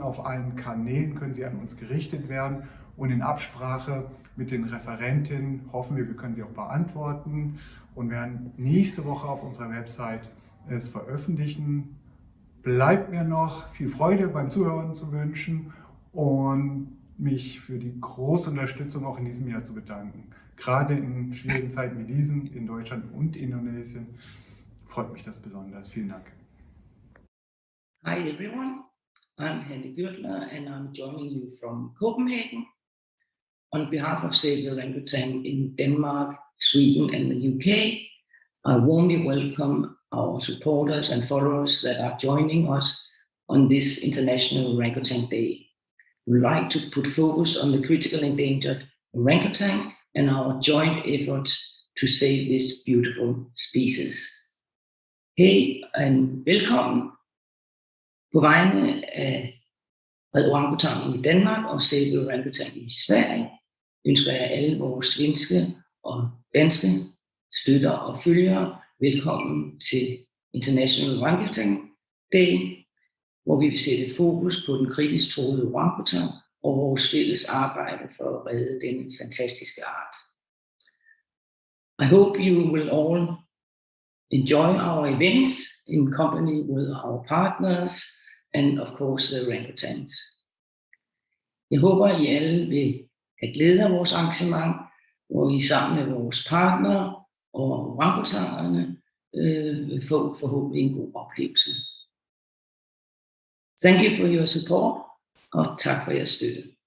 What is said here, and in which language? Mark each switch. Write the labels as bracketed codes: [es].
[de] Auf allen Kanälen können sie an uns gerichtet werden und in Absprache mit den Referentinnen hoffen wir können sie auch beantworten und werden nächste Woche auf unserer Website es veröffentlichen. Bleibt mir noch viel Freude beim Zuhören zu wünschen und mich für die große Unterstützung auch in diesem Jahr zu bedanken. Gerade in schwierigen Zeiten wie diesen in Deutschland und Indonesien freut mich das besonders. Vielen Dank. [en] Hi everyone, I'm Henny Gürtler and I'm joining you from Copenhagen. On behalf of Save the Orangutan in Denmark, Sweden and the UK, I warmly welcome our supporters and followers that are joining us on this International Orangutan Day. We'd like to put focus on the critical endangered orangutan and our joint efforts to save this beautiful species. Hey and welcome. [da] På vegne af Red Orangutan i Danmark og Save the Orangutan i Sverige, ønsker jeg alle vores svenske og danske støtter og følgere velkommen til International Orangutan Day, hvor vi vil sætte fokus på den kritisk truede orangutan og vores fælles arbejde for at redde den fantastiske art. [en] I hope you will all enjoy our events in company with our partners and of course the orangutans. [da] Jeg håber, at I alle vil have glæde af vores arrangement, hvor I sammen med vores partnere og rapportererne vil få forhåbentlig en god oplevelse. [en] Thank you for your support, [da] og tak for jeres støtte.